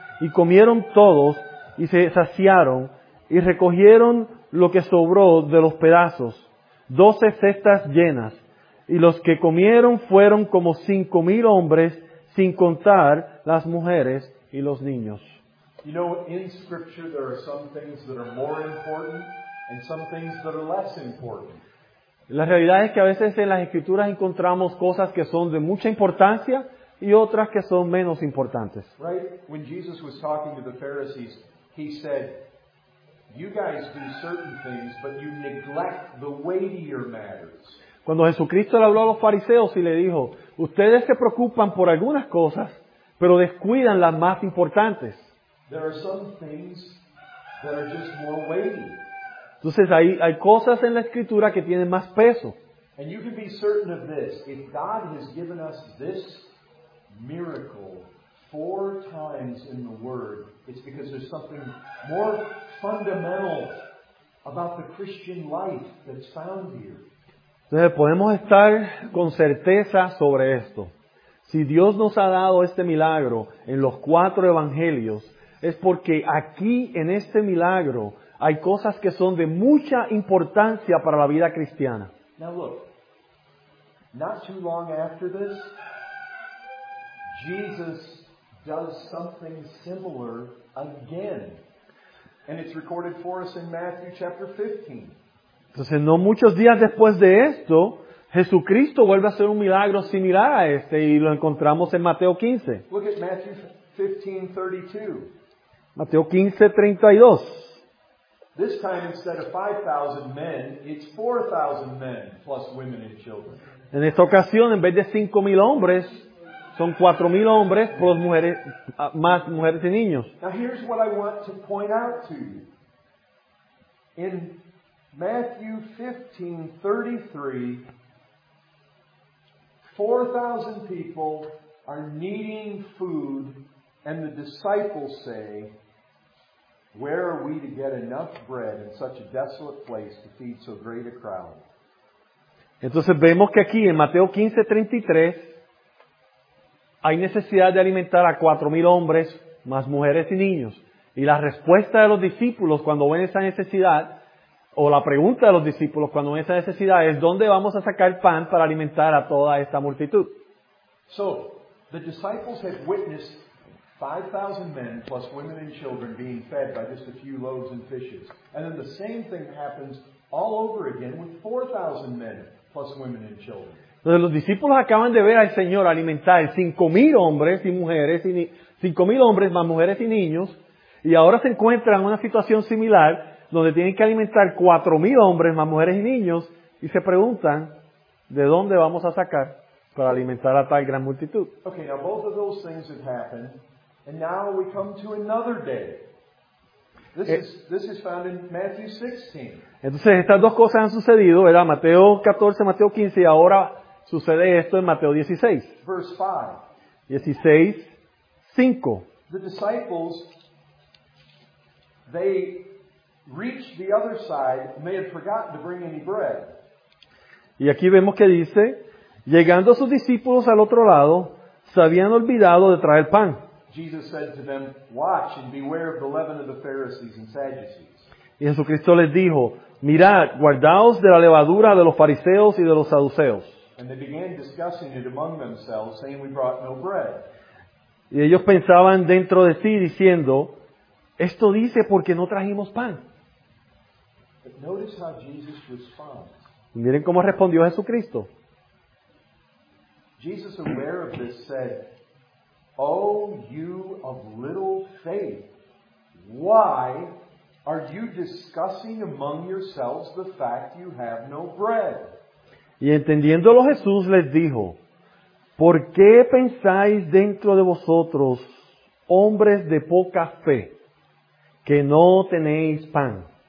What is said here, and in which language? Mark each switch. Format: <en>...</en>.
<es>Y comieron todos y se saciaron y recogieron lo que sobró de los pedazos, 12 cestas llenas. Y los que comieron fueron como 5,000 hombres, sin contar las mujeres y los niños.</es> <en>You know, in Scripture there are some things that are more important and some things that are less important.</en> <es>La realidad es que a veces en las Escrituras encontramos cosas que son de mucha importancia y otras que son menos importantes.</es> <en>Right? When Jesus was talking to the Pharisees, he said, you guys do certain things, but you neglect the weightier matters.</en> <es>Cuando Jesucristo le habló a los fariseos y le dijo, ustedes se preocupan por algunas cosas, pero descuidan las más importantes.</es> <en>There are some things that are just more weighty.</en> <es>Entonces hay cosas en la Escritura que tienen más peso.</es> <en>And you can be certain of this, if God has given us this miracle 4 times in the Word, it's because there's something more fundamental about the Christian life that's found here.</en> <es>Entonces podemos estar con certeza sobre esto. Si Dios nos ha dado este milagro en los 4 evangelios, es porque aquí en este milagro hay cosas que son de mucha importancia para la vida cristiana.</es> <en>Now look, not too long after this, Jesus does something similar again. And it's recorded for us in Matthew chapter 15.</en> <es>Entonces, no muchos días después de esto, Jesucristo vuelve a hacer un milagro similar a este y lo encontramos en Mateo 15.</es> <en>Look at Matthew 15:32.</en> <es>Mateo 15:32.</es> <en>This time, instead of 5,000 men, it's 4,000 men plus women and children.</en> <es>En esta ocasión, en vez de 5,000 hombres, son 4,000 hombres plus mujeres, más mujeres y niños.</es> <en>Now, here's what I want to point out to you. In Matthew 15:33, 4,000 people are needing food, and the disciples say, where are we to get enough bread in such a desolate place to feed so great a crowd?</en> <es>Entonces vemos que aquí en Mateo 15:33 hay necesidad de alimentar a 4,000 hombres, más mujeres y niños. Y la respuesta de los discípulos cuando ven esa necesidad, o la pregunta de los discípulos cuando ven esa necesidad, es ¿dónde vamos a sacar pan para alimentar a toda esta multitud?</es> <en>So, the disciples had witnessed 5,000 men plus women and children being fed by just a few loaves and fishes. And then the same thing happens all over again with 4,000 men plus women and children.</en> <es>Entonces los discípulos acaban de ver al Señor alimentar 5,000 hombres y mujeres, 5,000 hombres más mujeres y niños, y ahora se encuentran en una situación similar donde tienen que alimentar 4,000 hombres, más mujeres y niños, y se preguntan, ¿de dónde vamos a sacar para alimentar a tal gran multitud?</es> <en>Okay, now both of those things have happened, and now we come to another day. This is found in Matthew 16.</en> <es>Entonces, estas dos cosas han sucedido, ¿verdad? Mateo 14, Mateo 15, y ahora sucede esto en Mateo 16.</es> <en>Verse 5.</en> <es>16, 5.</es> <en>The disciples, they reached the other side and they had forgotten to bring any bread.</en> <es>Y aquí vemos que dice, llegando sus discípulos al otro lado, se habían olvidado de traer pan.</es> <en>Jesus said to them, watch and beware of the leaven of the Pharisees and Sadducees.</en> <es>Y Jesucristo les dijo, mirad, guardaos de la levadura de los fariseos y de los saduceos.</es> <en>And they began discussing it among themselves, saying, we brought no bread.</en> <es>Y ellos pensaban dentro de sí diciendo, esto dice porque no trajimos pan.</es> <en>But notice how Jesus responds.</en> <es>Y miren cómo respondió Jesucristo.</es> <en>Jesus, aware of this, said, oh, you of little faith, why are you discussing among yourselves the fact you have no bread?</en> <es>Y entendiéndolo Jesús les dijo, ¿por qué pensáis dentro de vosotros, hombres de poca fe, que no tenéis pan?</es>